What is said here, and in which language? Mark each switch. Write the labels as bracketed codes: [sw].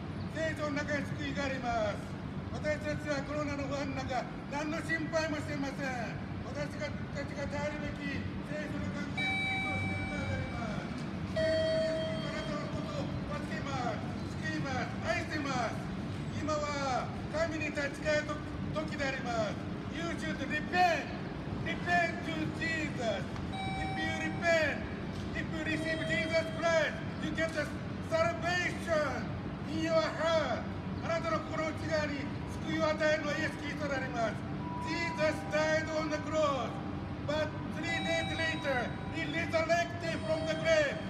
[ja] 聖書の中に救いがあります。私たちはコロナの不安の中何の心配もしていません。私たちが耐えるべき聖書の関係を救いとしているからであります。あなたのことを助けます、救います、愛しています。今は神に立ち返る時であります。 [en] You should repent. Repent to Jesus. If you repent, if you receive Jesus Christ, you get the salvation in your heart. [ja] あなたの心内側に救いを与えるのはイエス・キリストであります。 [en] Jesus died on the cross, but three days later he resurrected from the grave.